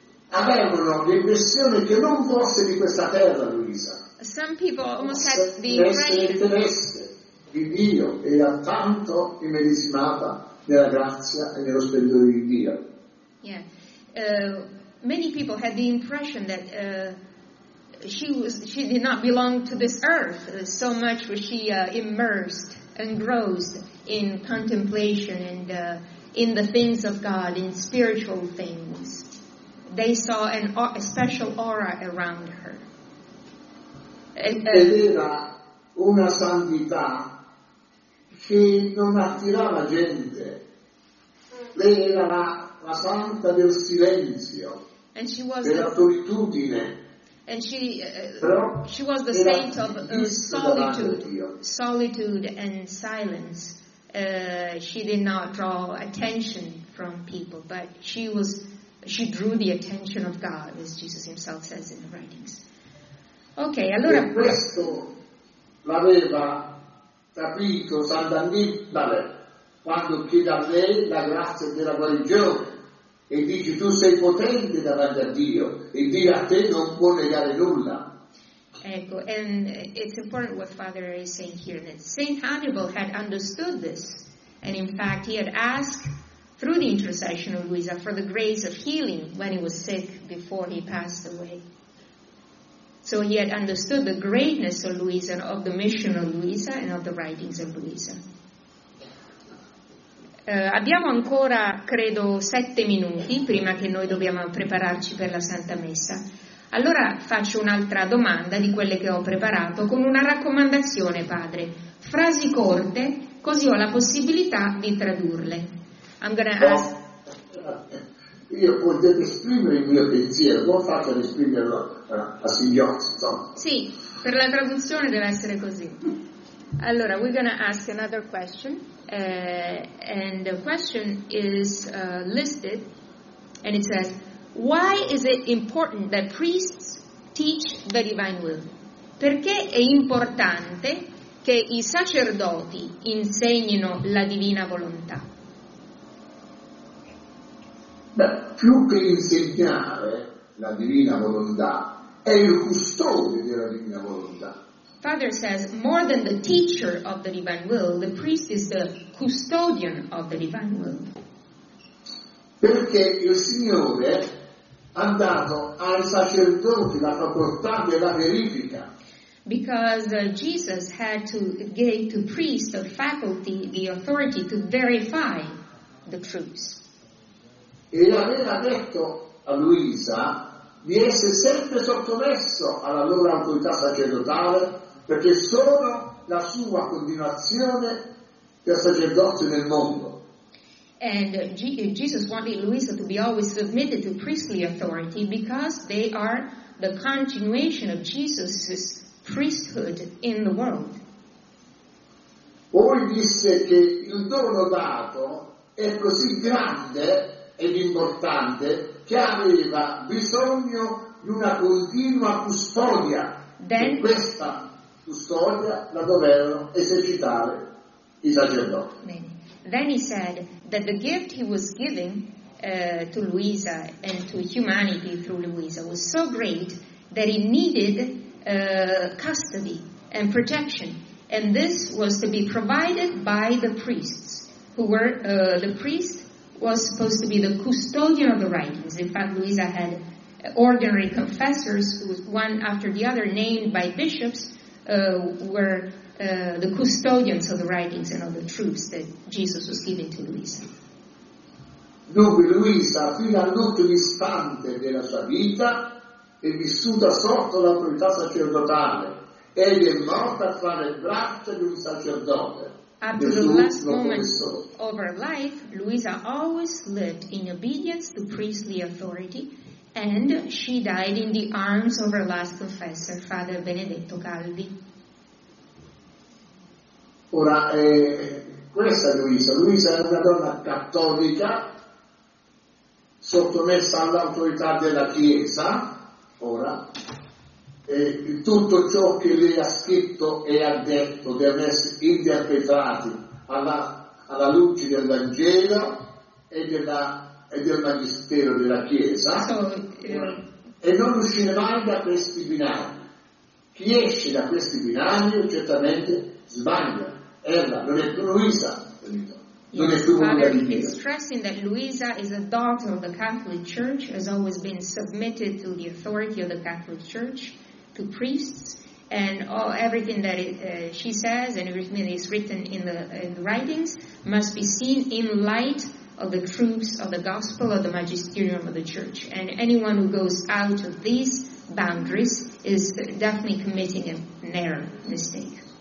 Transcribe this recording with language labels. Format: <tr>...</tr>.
<it>avevano l'impressione che non fosse di questa terra Luisa.</it> <en>Some people almost had the impression</en> <it>di Dio e tanto immedesimata nella grazia e nello splendore di Dio.</it> <en>Yeah. Many people had the impression that she did not belong to this earth, so much was she immersed, engrossed in contemplation and in the things of God, in spiritual things. They saw a special aura around her.</en> <it>Ed era una santità che non attirava gente. Lei era la santa del silenzio,</it> <en>and she was</en> <it>della solitudine.</it> <en>And she was the saint of solitude and silence. she did not draw attention from people, but she drew the attention of God, as Jesus himself says in the writings.</en> <it>Okay, allora. E questo l'aveva capito San Dannibale quando chiede a lei la grazia della guarigione. E dice, tu sei potente davanti a Dio, e Dio a te non può negare nulla. Ecco,</it> <en>and it's important what Father is saying here, that Saint Hannibal had understood this, and in fact he had asked through the intercession of Luisa for the grace of healing when he was sick before he passed away. So he had understood the greatness of Luisa, of the mission of Luisa, and of the writings of Luisa.</en> <it>Abbiamo ancora, credo, 7 minuti prima che noi dobbiamo prepararci per la Santa Messa. Allora faccio un'altra domanda di quelle che ho preparato con una raccomandazione, Padre. Frasi corte, così ho la possibilità di tradurle.</it> <en>I'm gonna ask...</en> <it>Io potete esprimere il mio pensiero, non faccio esprimerlo a singhiozzo. Sì, per la traduzione deve essere così. Allora,</it> <en>we're going to ask another question, and the question is listed, and it says, why is it important that priests teach the divine will?</en> <it>Perché è importante che i sacerdoti insegnino la divina volontà? Beh, più che insegnare la divina volontà, è il custode della divina volontà.</it> <en>Father says, more than the teacher of the divine will, the priest is the custodian of the divine will.</en> <it>Perché il Signore ha dato ai sacerdoti la facoltà della verifica.</it> <en>Because Jesus had to give to priests the faculty, the authority to verify the truths.</en> <it>E aveva detto a Luisa di essere sempre sottomesso alla loro autorità sacerdotale, perché sono la sua continuazione del sacerdozio nel mondo.</it> <en>And Jesus wanted Luisa to be always submitted to priestly authority because they are the continuation of Jesus' priesthood in the world.</en> <it>Poi disse che il dono dato è così grande ed importante che aveva bisogno di una continua custodia.</it> <en>Then,</en> <it>di questa custodia la dovevano esercitare i sacerdoti.</it> <en>Then he said that the gift he was giving to Luisa and to humanity through Luisa was so great that it needed custody and protection, and this was to be provided by the priests, who were the priest was supposed to be the custodian of the writings. In fact, Luisa had ordinary confessors, one after the other, named by bishops. Were the custodians of the writings and of the truths that Jesus was giving to Luisa.</en> <it>Dunque Luisa, fino all'ultimo istante della sua vita, è vissuta sotto l'autorità sacerdotale. Egli è morta tra le braccia di un sacerdote.</it> <en>Up to the last moment of her life, Luisa always lived in obedience to priestly authority, and she died in the arms of her last confessor, Father Benedetto Calvi.</en> <it>Ora, questa è Luisa. Luisa è una donna cattolica, sottomessa all'autorità della Chiesa, ora, e tutto ciò che lei ha scritto e ha detto deve essere interpretato alla luce del Vangelo e del Magistero della Chiesa, e non uscire mai da questi binari. Chi esce da questi binari certamente sbaglia. Ella non è più Luisa, non è più una divina.</it> <en>Father is stressing that Luisa is a daughter of the Catholic Church, has always been submitted to the authority of the Catholic Church, to priests, and all, everything that she says and everything that is written in the writings must be seen in light of the truths of the gospel of the magisterium of the church, and anyone who goes out of these boundaries is definitely committing an error, mistake.</en>